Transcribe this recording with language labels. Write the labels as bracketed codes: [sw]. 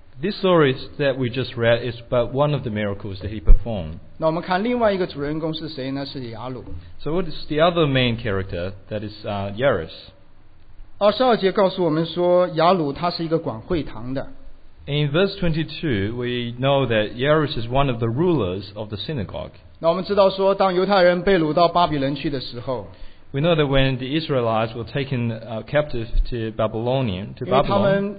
[en] This story that we just read is but one of the miracles that he performed. [zh] 那我们看另外一个主人公是谁呢？是雅鲁。 [en] So what is the other main character? That is Jairus. [zh] 22节告诉我们说，雅鲁他是一个管会堂的。 [en] In verse 22, we know that Jairus is one of the rulers of the synagogue. [zh] 那我们知道说，当犹太人被掳到巴比伦去的时候。 [en] We know that when the Israelites were taken captive to Babylonian, to Babylon,